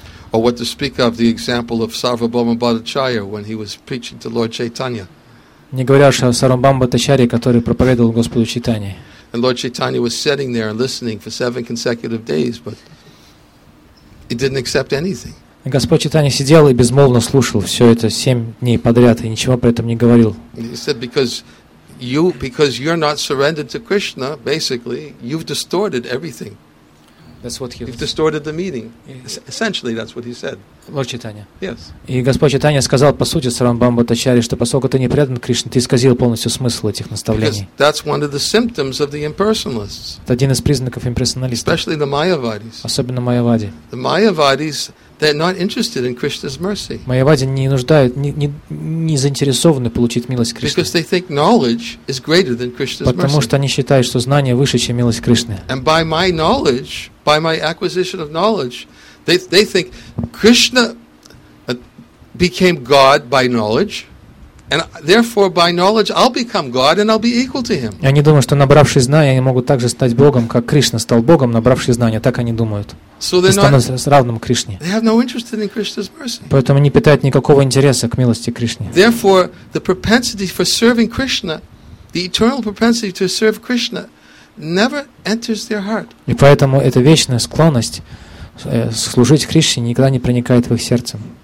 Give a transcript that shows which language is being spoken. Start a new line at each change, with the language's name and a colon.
English: Or what to speak of the example of Sarvabhauma Bhattacharya when he was preaching to Lord Chaitanya.
Russian: Не говоря уже о Сарвабхауме Бхаттачарье, который проповедовал Господу Чайтанье.
English: And Lord Chaitanya was sitting there and listening for 7 consecutive days, but he didn't accept anything.
Russian: И Господь Чайтанья сидел и безмолвно слушал все это 7 дней подряд и ничего при этом не говорил.
English: He said, because you're not surrendered to Krishna, basically, you've distorted everything. That's what You've distorted the meaning. Essentially, that's what he said. Lord Chaitanya. Yes.
Russian: И Господь Чайтанья сказал, по сути, Сарамбамба Тачари, что поскольку ты не предан Кришне, ты исказил полностью смысл этих наставлений.
English: Because that's one of the symptoms of the impersonalists.
Russian: Это один из признаков имперсоналистов.
English: Especially the Mayavadis.
Russian: Особенно Майявади.
English: The Mayavadis, they're not interested in Krishna's mercy.
Russian: Майявади не нуждают, не заинтересованы получить милость Кришны.
English: Because they think knowledge is greater than Krishna's mercy.
Russian: Потому что они считают, что знание выше, чем милость Кришны.
English: And by my knowledge, by my acquisition of knowledge, they think Krishna became God by knowledge, and therefore by knowledge I'll become God and I'll be equal to him.
Russian: Они думают, что набравшись знания, они могут также стать Богом, как Кришна стал Богом, набравшись знания. Так они думают.
English: So they're not
Russian: равным Кришне.
English: They have no interest in Krishna's mercy.
Russian: Поэтому не питают никакого интереса к милости Кришне.
English: Therefore, the propensity for serving Krishna, the eternal propensity to serve Krishna, never enters their heart.
Russian: И поэтому эта вечная склонность служить Кришне никогда не проникает в их сердце.